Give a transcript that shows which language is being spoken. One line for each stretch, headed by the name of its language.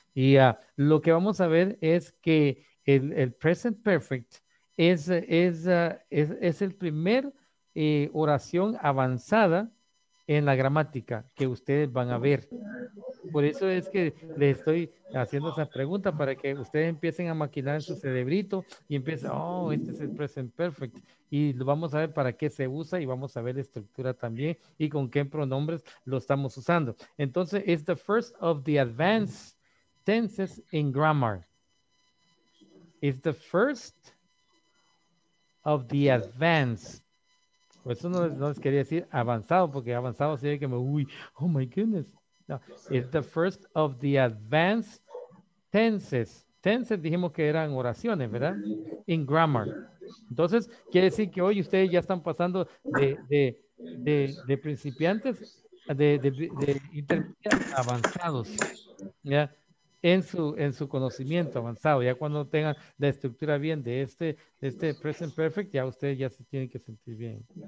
Spanish: Y lo que vamos a ver es que el present perfect es el primer oración avanzada en la gramática que ustedes van a ver. Por eso es que les estoy haciendo esa pregunta para que ustedes empiecen a maquinar en su cerebrito y empiecen, oh, este es el present perfect. Y lo vamos a ver para qué se usa y vamos a ver la estructura también y con qué pronombres lo estamos usando.
English: Entonces, it's the first of the advanced tenses in grammar. It's the first of the advanced.
Spanish: Por eso no les quería decir avanzado, porque avanzado sería que me, uy,
English: oh my goodness. No, it's the first of the advanced tenses.
Spanish: Tenses dijimos que eran oraciones, ¿verdad?
English: In grammar.
Spanish: Entonces, quiere decir que hoy ustedes ya están pasando de principiantes, de intermediarios avanzados, ¿ya? En su conocimiento avanzado. Ya cuando tengan la estructura bien de este present perfect, ya ustedes ya se tienen que sentir bien.